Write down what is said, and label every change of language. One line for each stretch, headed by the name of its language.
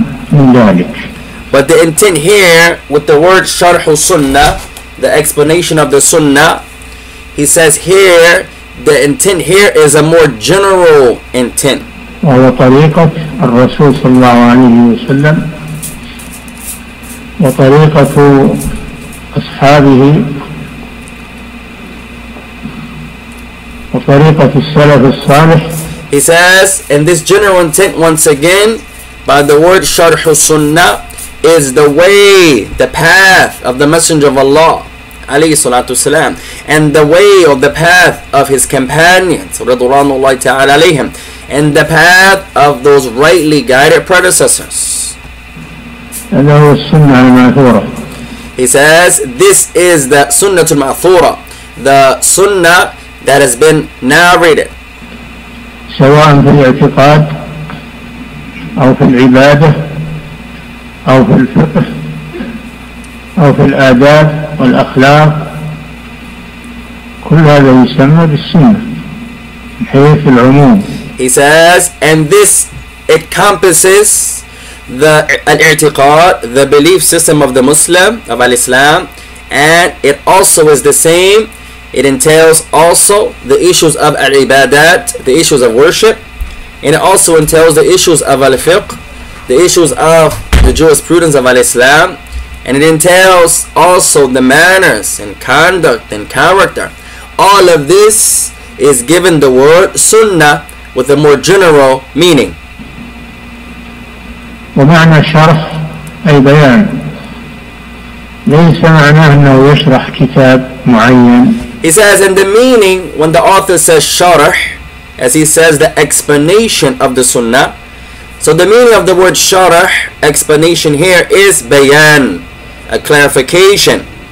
English: But the intent here with the word sharh sunnah, the explanation of the sunnah, he says here the intent here is a more general intent.
Arabic: وطريقة الرسول صلى الله عليه وسلم وطريقة أصحابه وطريقة السلف الصالح.
English: He says, in this general intent, once again, by the word
Arabic: شرح السنة,
English: is the way, the path of the Messenger of Allah alayhi salatu salam, and the way or the path of his companions radhiyallahu ta'ala alayhim, and the path of those rightly guided predecessors. He says this is the sunnah al-ma'thura, the sunnah that has been narrated,
Arabic: سواء في الاعتقاد او في العباده او في الفقه او في الاداب والأخلاق, كل هذا يسمى بالسنة حيث العموم.
English: He says, and this encompasses the al-i'tiqad, the belief system of the Muslim, of al-Islam, and it also is the same, it entails also the issues of al-ibadat, the issues of worship, and it also entails the issues of al-fiqh, the issues of the jurisprudence of al-Islam, and it entails also the manners and conduct and character. All of this is given the word sunnah with a more general meaning.
Arabic: ومعنى شرح أي بيان, ليس معناه أنه يشرح كتاب معين.
English: He says in the meaning when the author says sharh, as he says the explanation of the sunnah, so the meaning of the word sharh, explanation here, is bayan, a clarification.